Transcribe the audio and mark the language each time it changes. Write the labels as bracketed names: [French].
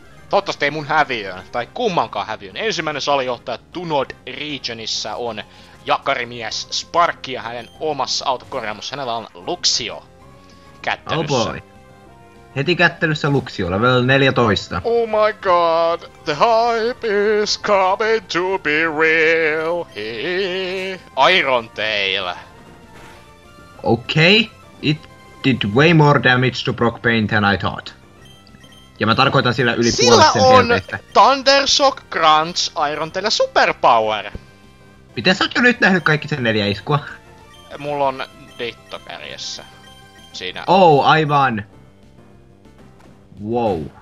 [Finnish] Toivottavasti ei mun häviöön, tai kummankaan häviöön. Ensimmäinen salijohtaja Tunod Regionissa on jakarimies Sparkki ja hänen omassa autokorjaamassa. Hänellä on Luxio kättelyssä. [English] Oh boy. [Finnish] Heti kättelyssä Luxio, level 14. [English] Oh my god, the hype is coming to be real. Iron Tail. Okay, it did way more damage to Brock Payne than I thought. [Finnish] Ja mä tarkoitan sillä yli sillä puolet sen helpeistä. Sillä on Thundershock Grunge Iron Tail Superpower. Miten sä oot jo nyt nähnyt kaikki sen 4 iskua? Mulla on ditto kärjessä. Siinä. Oh, aivan. Wow.